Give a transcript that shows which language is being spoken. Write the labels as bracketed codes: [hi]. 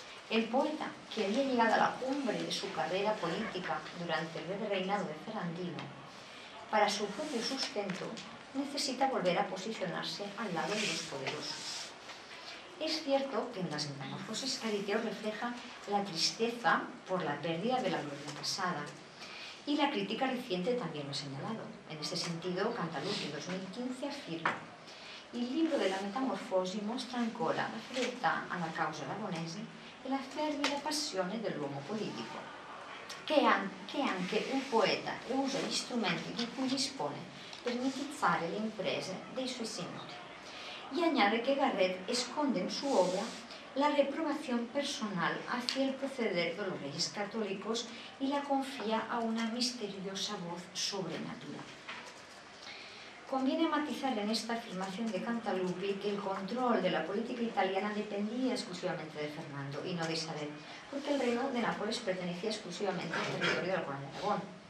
[es] El poeta, que había llegado a la cumbre de su carrera política durante el breve reinado de Ferrandino, para su propio sustento, necesita volver a posicionarse al lado de los poderosos. Es cierto que en las metamorfosis Cariteo refleja la tristeza por la pérdida de la gloria pasada y la crítica reciente también lo ha señalado. En este sentido, Cantalupi 2015 afirma: [it] «Il libro della metamorfosi mostra ancora la fedeltà alla causa aragonese e la fervida passione dell'uomo politico, che anche un poeta usa gli strumenti di cui dispone per mitizzare le imprese dei suoi signori». [es] Y añade que Garret esconde en su obra la reprobación personal hacia el proceder de los reyes católicos y la confía a una misteriosa voz sobrenatural. Conviene matizar en esta afirmación de Cantalupi que el control de la política italiana dependía exclusivamente de Fernando y no de Isabel, porque el reino de Nápoles pertenecía exclusivamente al territorio del Corona de Aragón.